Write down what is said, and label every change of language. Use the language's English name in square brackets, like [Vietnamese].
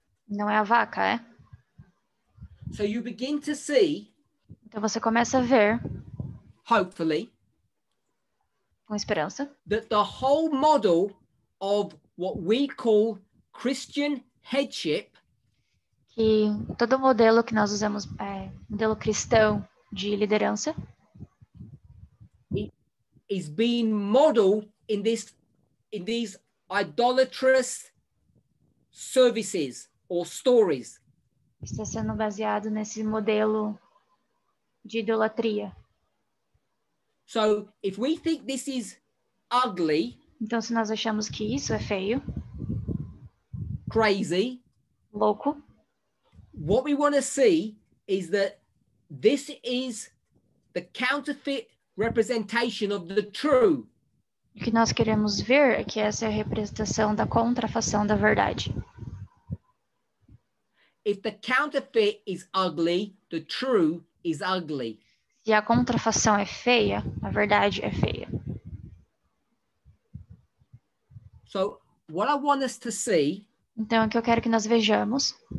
[Portuguese] Não é a vaca, é? [English] So you begin to see. [Portuguese] Então você começa a ver. [English] Hopefully. [Portuguese] Com esperança. [English] That the whole model of what we call Christian headship. [Portuguese] Que todo modelo que nós usamos é modelo cristão de liderança. [English] Is being modeled in these idolatrous services or stories. [Portuguese] Está sendo baseado nesse modelo de idolatria. [English] So, if we think this is ugly, [Portuguese] então se nós achamos que isso é feio, [English] crazy, [Portuguese] louco, [English] what we want to see is that this is the counterfeit representation of the true. [Portuguese] O que nós queremos ver é que essa é a representação da contrafação da verdade. [English] If the counterfeit is ugly, the true is ugly. [Portuguese] Se a contrafação é feia, a verdade é feia. [English] So, what I want us to see, [Portuguese] então, o que eu quero que nós vejamos,